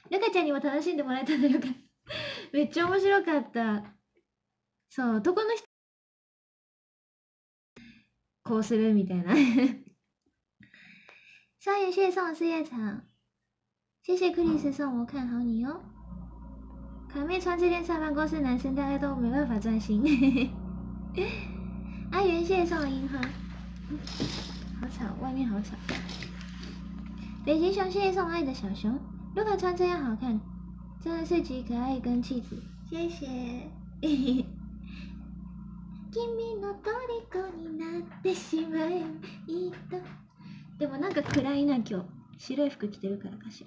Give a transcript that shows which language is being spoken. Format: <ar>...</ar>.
<ja>よかちゃんにも楽しんでもらえたらよかった。めっちゃ面白かった。そう、男の人、こうするみたいな。</ja> <zh>少爷、谢谢送事业场。谢谢克里斯送我看好你哦。卡妹穿这件上班公司，男生大概都没办法专心。阿元，谢谢送我樱花。好吵，外面好吵。北极熊，谢谢送爱的小熊。露卡穿这样好看，真的是极可爱跟气质。谢谢。</zh> <ja>君の虜になってしまえばいいと。でもなんか暗いな、今日。白い服着てるからかしら。</ja>